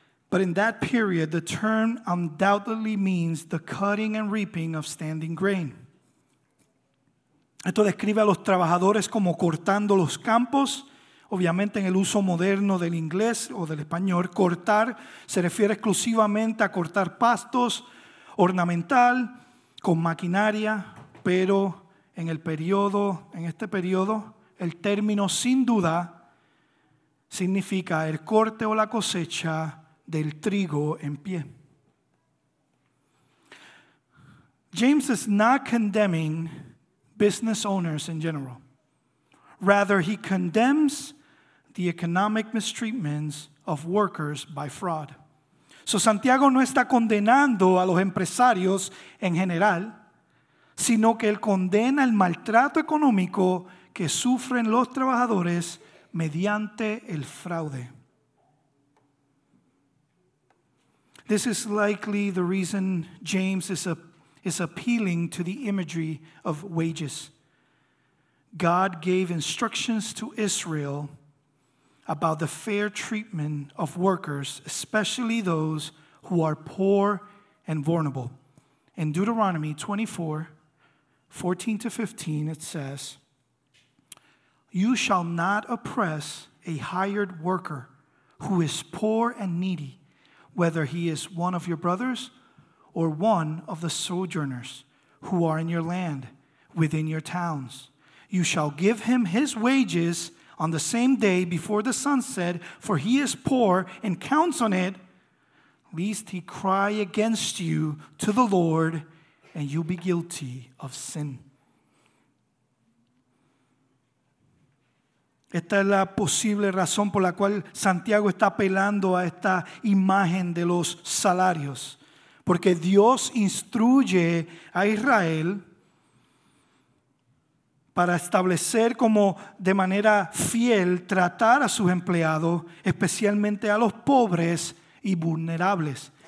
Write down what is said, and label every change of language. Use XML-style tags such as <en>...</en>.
<en>But in that period, the term undoubtedly means the cutting and reaping of standing grain.</en> <es>Esto describe a los trabajadores como cortando los campos. Obviamente, en el uso moderno del inglés o del español, cortar se refiere exclusivamente a cortar pastos ornamental con maquinaria, pero en este periodo, el término sin duda significa el corte o la cosecha del trigo en pie.</es> <en>James is not condemning business owners in general. Rather, he condemns the economic mistreatments of workers by fraud.</en> <es>So Santiago no está condenando a los empresarios en general, sino que él condena el maltrato económico que sufren los trabajadores mediante el fraude.</es> <en>This is likely the reason James is appealing to the imagery of wages. God gave instructions to Israel about the fair treatment of workers, especially those who are poor and vulnerable. In Deuteronomy 24:14-15, it says, "You shall not oppress a hired worker who is poor and needy, whether he is one of your brothers or one of the sojourners who are in your land, within your towns. You shall give him his wages on the same day before the sun set, for he is poor, and counts on it, lest he cry against you to the Lord, and you be guilty of sin."</en> <es>Esta es la posible razón por la cual Santiago está apelando a esta imagen de los salarios. Porque Dios instruye a Israel para establecer como de manera fiel tratar a sus empleados, especialmente a los pobres y vulnerables.</es>